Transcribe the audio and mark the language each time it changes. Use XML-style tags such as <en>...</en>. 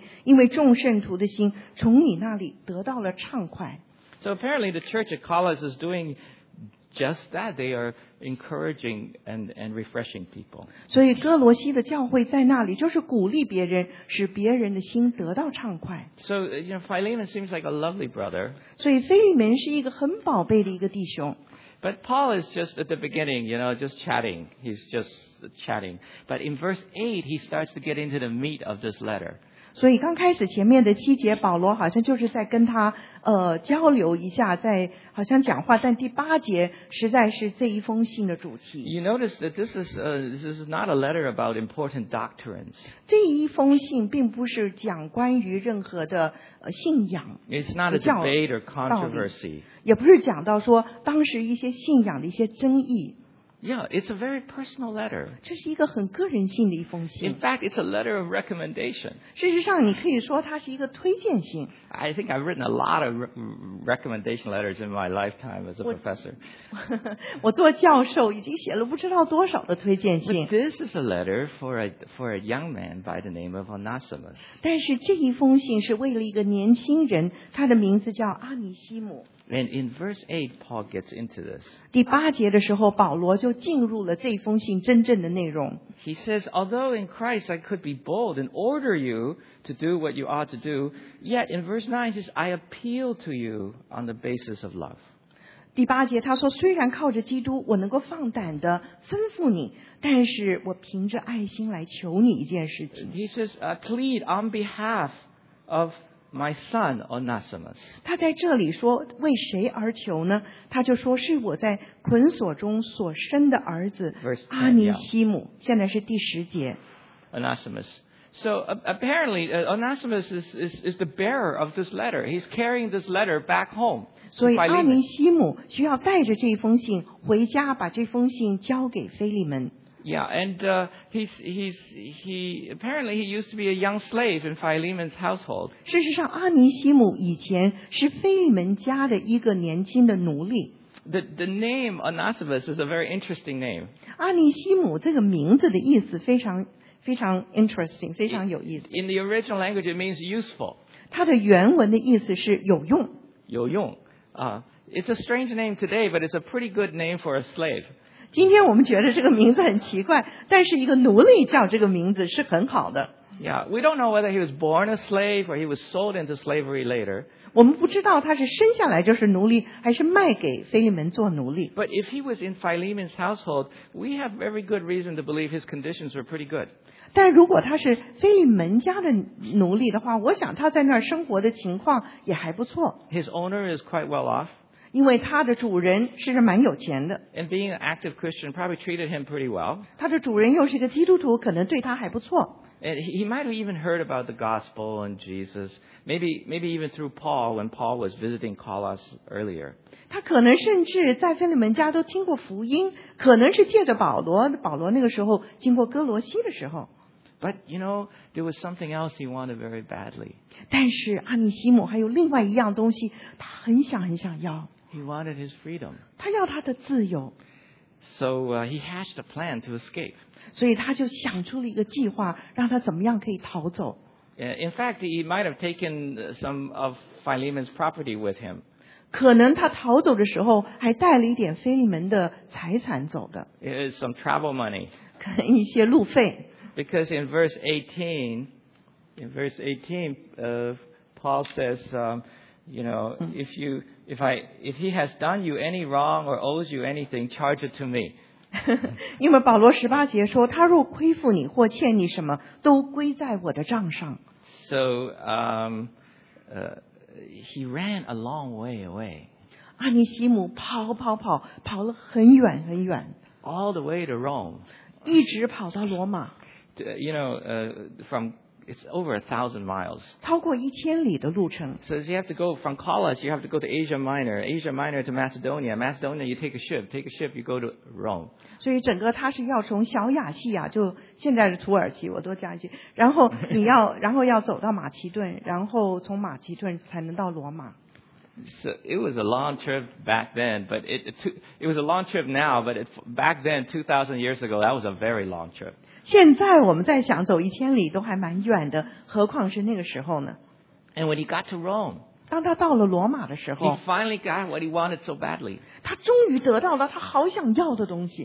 <zh>第七节他接着说：“我为你的爱心大有快乐，大得安慰，因为众圣徒的心从你那里得到了畅快。”</zh> <en>So apparently, the church at Colossus is doing just that. They are encouraging and refreshing people.</en> <zh>所以哥罗西的教会在那里就是鼓励别人，使别人的心得到畅快。</zh> <en>So, you know, Philemon seems like a lovely brother.</en> <zh>所以菲利门是一个很宝贝的一个弟兄。</zh> <en>But Paul is just at the beginning, you know, just chatting. He's just chatting. But in verse 8, he starts to get into the meat of this letter.</en> <zh>所以刚开始前面的七节，保罗好像就是在跟他交流一下，在好像讲话。但第八节实在是这一封信的主题。</zh> <en>You notice that this is not a letter about important doctrines.</en> <zh>这一封信并不是讲关于任何的信仰。</zh> <en>It's not a debate or controversy.</en> <zh>也不是讲到说当时一些信仰的一些争议。</zh> <en>Yeah, it's a very personal letter.</en> <zh>这是一个很个人性的一封信。</zh> <en>In fact, it's a letter of recommendation.</en> <zh>事实上，你可以说它是一个推荐信。</zh> <en>I think I've written a lot of recommendation letters in my lifetime as a professor.</en> <zh>我做教授已经写了不知道多少的推荐信。</zh> <en>But this is a letter for a young man by the name of Onesimus.</en> <zh>但是这一封信是为了一个年轻人，他的名字叫阿尼西姆。</zh> <en>And in verse 8, Paul gets into this.</en> <zh>第八节的时候，保罗就进入了这封信真正的内容。</zh> <en>He says, although in Christ I could be bold and order you to do what you ought to do, yet in verse 9, he says, I appeal to you on the basis of love.</en> <zh>第八节他说，虽然靠着基督我能够放胆的吩咐你，但是我凭着爱心来求你一件事情。</zh> <en>He says, plead on behalf of My son Onesimus.</en> <zh>他在这里说为谁而求呢？他就说是我在捆锁中所生的儿子阿尼西姆。现在是第十节。</zh> <en>Onesimus. So apparently Onesimus is the bearer of this letter. He's carrying this letter back home.</en> <zh>所以阿尼西姆需要带着这封信回家，把这封信交给腓利门。</zh> <en>Yeah, and he apparently he used to be a young slave in Philemon's household.</en> <zh>事实上，阿尼西姆以前是腓利门家的一个年轻的奴隶。</zh> <en>The name Onesimus is a very interesting name.</en> <zh>阿尼西姆这个名字的意思非常非常</zh> <en>interesting，</en> <zh>非常有意思。</zh> <en>In the original language, it means useful.</en> <zh>它的原文的意思是有用。有用啊！</zh> <en>It's a strange name today, but it's a pretty good name for a slave.</en> <zh>今天我们觉得这个名字很奇怪，但是一个奴隶叫这个名字是很好的。</zh> <en>Yeah, we don't know whether he was born a slave or he was sold into slavery later.</en> <zh>我们不知道他是生下来就是奴隶，还是卖给腓利门做奴隶。</zh> <en>But if he was in Philemon's household, we have very good reason to believe his conditions were pretty good.</en> <zh>但如果他是腓利门家的奴隶的话，我想他在那儿生活的情况也还不错。</zh> <en>His owner is quite well off.</en> <zh>因为他的主人是蛮有钱的。</zh> <en>And being an active Christian probably treated him pretty well.</en> <zh>他的主人又是一个基督徒，可能对他还不错。</zh> <en>And he might have even heard about the gospel and Jesus. Maybe even through Paul when Paul was visiting Colossus earlier.</en> <zh>他可能甚至在腓利门家都听过福音，可能是借着保罗那个时候经过哥罗西的时候。</zh> <en>But you know, there was something else he wanted very badly.</en> <zh>但是阿尼西姆还有另外一样东西，他很想很想要。</zh> <en>He wanted his freedom.</en> <zh>他要他的自由。</zh> <en>So he hatched a plan to escape.</en> <zh>所以他就想出了一个计划，让他怎么样可以逃走。</zh> <en>In fact, he might have taken some of Philemon's property with him.</en> <zh>可能他逃走的时候还带了一点腓利门的财产走的。</zh> <en>It is some travel money.</en> <zh>可能一些路费。</zh> <en>Because in verse 18, Paul says, you know, if he has done you any wrong or owes you anything, charge it to me.</en> <zh>因为保罗十八节说，他若亏负你或欠你什么，都归在我的账上。</zh> <en>So, he ran a long way away.</en> <zh>阿尼西姆跑了很远很远。</zh> <en>All the way to Rome.</en> <zh>一直跑到罗马。</zh> <en>You know, from it's over 1,000 miles.</en> <zh>超过一千里的路程。</zh> <en>So you have to go from Colossus. You have to go to Asia Minor. Asia Minor to Macedonia. Macedonia, you take a ship. Take a ship, you go to Rome.</en> <zh>所以整个他是要从小亚细亚，就现在的土耳其，我多加一句。然后你要，然后要走到马其顿，然后从马其顿才能到罗马。</zh> <en>So it was a long trip back then, but it was a long trip now. But back then, 2,000 years ago, that was a very long trip.</en> <zh>现在我们在想走一千里都还蛮远的，何况是那个时候呢？</zh> <en>And when he got to Rome,</en> <zh>当他到了罗马的时候</zh> <en>，He finally got what he wanted so badly.</en> <zh>他终于得到了他好想要的东西。</zh>